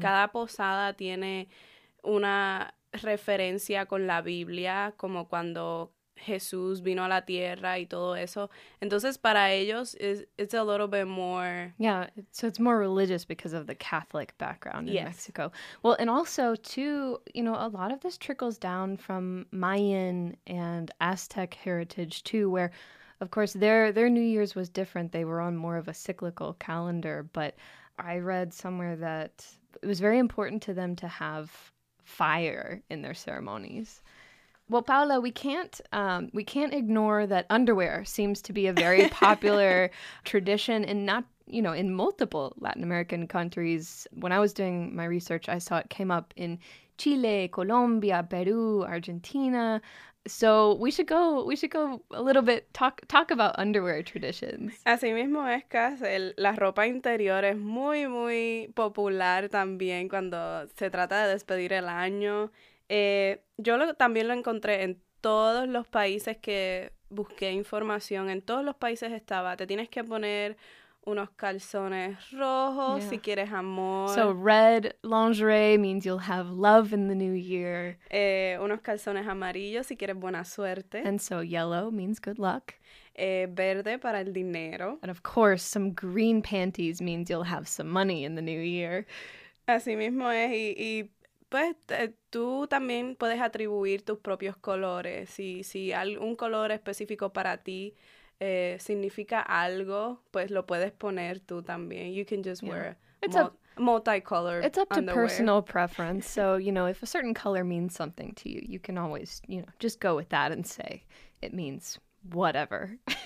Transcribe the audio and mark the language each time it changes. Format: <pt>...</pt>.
<es>Cada posada tiene una referencia con la Biblia, como cuando Jesús vino a la tierra y todo eso. Entonces, para ellos,</es> <en>it's a little bit more... Yeah, so it's more religious because of the Catholic background in yes. Mexico. Well, and also, too, you know, a lot of this trickles down from Mayan and Aztec heritage, too, where... Of course, their New Year's was different. They were on more of a cyclical calendar. But I read somewhere that it was very important to them to have fire in their ceremonies. Well, Paola, we can't ignore that underwear seems to be a very popular tradition in not, you know, in multiple Latin American countries. When I was doing my research, I saw it came up in Chile, Colombia, Peru, Argentina. So we should go a little bit talk about underwear traditions.</en> <es>Así mismo es, Cass. La ropa interior es muy, muy popular también cuando se trata de despedir el año. Yo también lo encontré en todos los países que busqué información. En todos los países estaba. Te tienes que poner unos calzones rojos</es> <en>yeah.</en> <es>si quieres amor.</es> <en>So red lingerie means you'll have love in the new year.</en> <es>Unos calzones amarillos si quieres buena suerte.</es> <en>And so yellow means good luck.</en> <es>Verde para el dinero.</es> <en>And of course, some green panties means you'll have some money in the new year.</en> <es>Así mismo es. Y pues tú también puedes atribuir tus propios colores. Si algún color específico para ti significa algo, pues lo puedes poner tú también.</es> <en>You can just wear multicolored It's up underwear. To personal preference. So, you know, if a certain color means something to you, you can always, you know, just go with that and say it means whatever.</en>